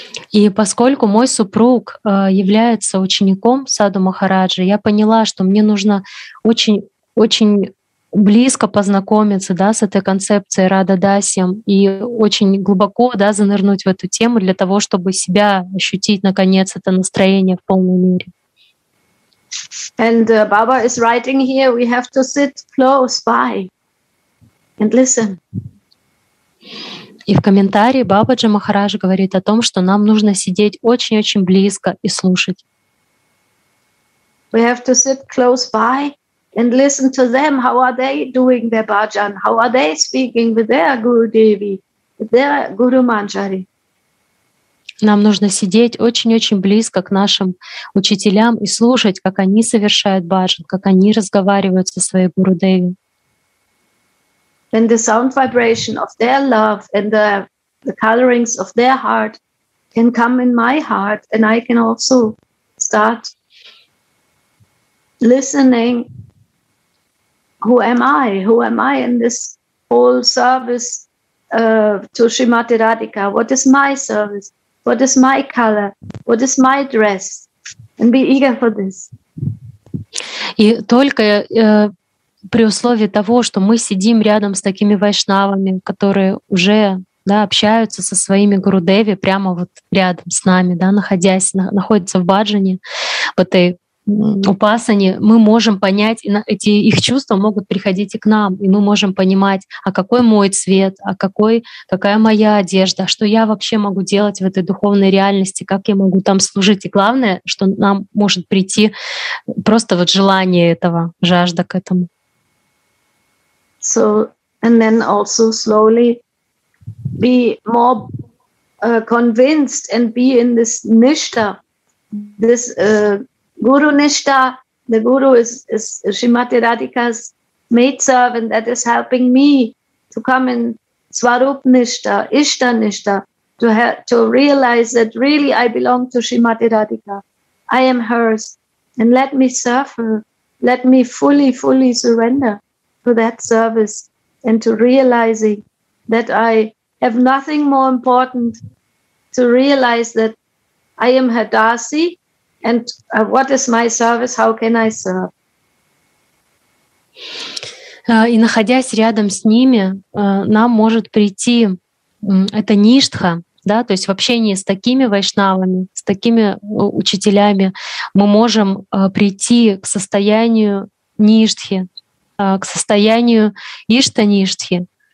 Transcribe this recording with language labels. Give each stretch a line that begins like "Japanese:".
Russian: И поскольку мой супруг является учеником Саду Махараджи, я поняла, что мне нужно очень, очень близко познакомиться, да, с этой концепцией Радха Дасьям и очень глубоко, да, занырнуть в эту тему для того, чтобы себя ощутить, наконец, это настроение в полной мере.
English: And Baba is writing here, we have to sit close by and listen.
Russian: И в комментарии Бабаджи Махарадж говорит о том, что нам нужно сидеть очень-очень близко и слушать.
English: We have to sit close by and listen to them, how are they doing their bhajan, how are they speaking with their Guru Devi, with their Guru Manjari.
Russian: Нам нужно сидеть очень-очень близко к нашим учителям и слушать, как они совершают баджан, как они разговаривают со своей Гуру Деви.
English: And the sound vibration of their love and the colorings of their heart can come in my heart, and I can also start listening. Who am I? Who am I in this whole service to Srimati Radhika? What is my service? What is my color? What is my dress? And be eager for this.
Russian: И только при условии того, что мы сидим рядом с такими вайшнавами, которые уже, да, общаются со своими гурудеви прямо вот рядом с нами, да, находятся в баджане, в этой упасане, мы можем понять, эти их чувства могут приходить и к нам, и мы можем понимать, а какой мой цвет, а какая моя одежда, что я вообще могу делать в этой духовной реальности, как я могу там служить. И главное, что нам может прийти просто вот желание этого, жажда к этому.
English: So, and then also slowly be more convinced and be in this nishta, this guru nishta. The guru is Srimati Radhika's maidservant that is helping me to come in Swarup Nishta, Ishta Nishta, to realize that really I belong to Srimati Radhika. I am hers. And let me serve her. Let me fully, fully surrender to that service and to realizing that I have nothing more important, to realize that I am her Dasi, and what is my service, how can I serve?
Russian: И находясь рядом с ними, нам может прийти эта ништха, да, то есть в общении с такими вайшнавами, с такими учителями, мы можем прийти к состоянию ништхи, к состоянию ишта-ништхи.